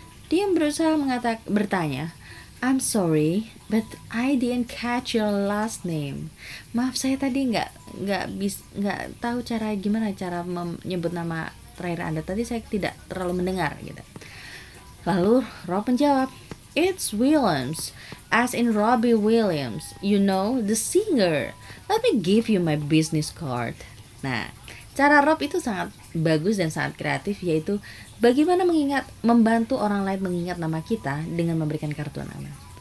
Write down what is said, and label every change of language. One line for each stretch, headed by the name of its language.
Indonesian: Dia berusaha bertanya,
English: I'm sorry, but I didn't catch your last name.
Indonesian: Maaf, saya tadi nggak tahu cara gimana cara menyebut nama terakhir Anda tadi saya tidak terlalu mendengar gitu.
English: Lalu Rob menjawab, "It's Williams, as in Robbie Williams, you know, the singer. Let me give you my business card."
Indonesian: Nah, cara Rob itu sangat bagus dan sangat kreatif, yaitu bagaimana mengingat, membantu orang lain mengingat nama kita dengan memberikan kartu nama.